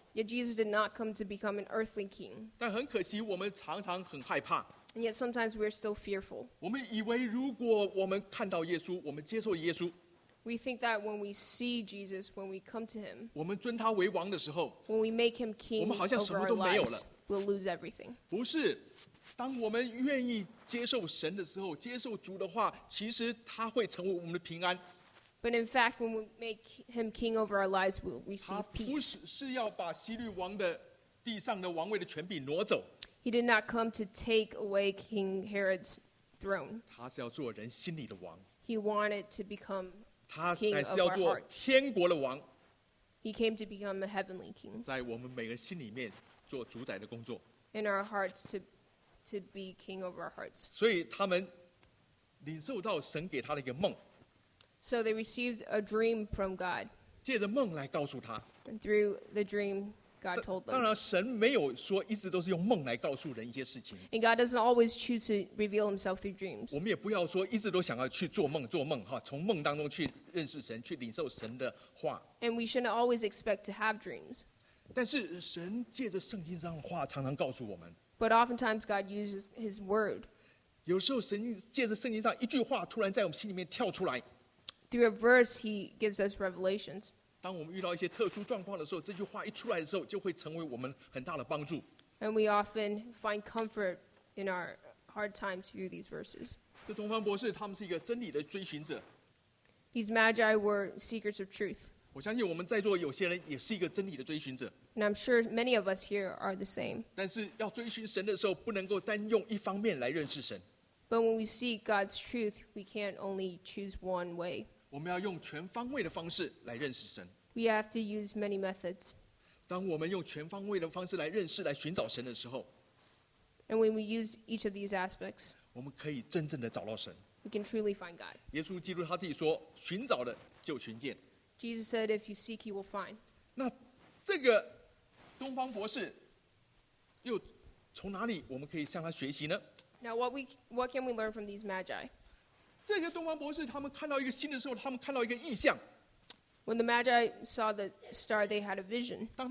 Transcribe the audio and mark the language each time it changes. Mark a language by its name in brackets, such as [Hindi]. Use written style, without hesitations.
[English] Yet Jesus did not come to become an earthly king. [Chinese] 但很可惜，我们常常很害怕。 [English] And yet sometimes we're still fearful. [Chinese] 我们以为如果我们看到耶稣，我们接受耶稣。 [English] We think that when we see Jesus, when we come to him, [Chinese] 我们尊他为王的时候, [English] when we make him king, [Chinese] 我们好像什么都没有了。 [English] We'll lose everything. [Chinese] 不是。当我们愿意接受神的时候，接受主的话，其实他会成为我们的平安。 [English] But in fact, when we make him king over our lives, we'll receive peace. [Chinese] 他不是要把希律王的地上的王位的权柄挪走。 [English] He did not come to take away King Herod's throne. [Chinese] 他是要做人心里的王。 [English] He wanted to become king of our hearts. [Chinese] 他乃是要做天国的王。 [English] He came to become a heavenly king. [Chinese] 在我们每个心里面做主宰的工作。 [English] In our hearts to be king over our hearts. [Chinese] 所以他们领受到神给他的一个梦。 [English] So they received a dream from God. [Chinese] 借着梦来告诉他。 [English] And through the dream, God told them. [Chinese] 当然神没有说一直都是用梦来告诉人一些事情。 [English] And God doesn't always choose to reveal himself through dreams. [Chinese] 我们也不要说一直都想要去做梦，从梦当中去认识神，去领受神的话。 [English] And we shouldn't always expect to have dreams. [Chinese] 但是神借着圣经上的话常常告诉我们。 [English] But oftentimes God uses his word. [Chinese] 有时候神借着圣经上一句话突然在我们心里面跳出来。 [English] Through a verse, he gives us revelations. [Chinese] 当我们遇到一些特殊状况的时候，这句话一出来的时候，就会成为我们很大的帮助。 [English] And we often find comfort in our hard times through these verses. [Chinese] 这东方博士他们是一个真理的追寻者。 [English] These magi were seekers of truth. [Chinese] 我相信我们在座有些人也是一个真理的追寻者。 [English] And I'm sure many of us here are the same. [Chinese] 但是要追寻神的时候，不能够单用一方面来认识神。 [English] But when we seek God's truth, we can't only choose one way. [Chinese] 我们要用全方位的方式来认识神。 [English] We have to use many methods. [Chinese] 当我们用全方位的方式来认识、来寻找神的时候， [English] And when we use each of these aspects, [Chinese] 我们可以真正的找到神。 [English] We can truly find God. [Chinese] 耶稣基督他自己说，寻找的就寻见。 [English] Jesus said, if you seek, you will find. [Chinese] 那这个东方博士又从哪里我们可以向他学习呢？ [English] Now, what can we learn from these magi? [Chinese] 这些东方博士他们看到一个星的时候，他们看到一个异象。 [English] When the Magi saw the star, they had a vision.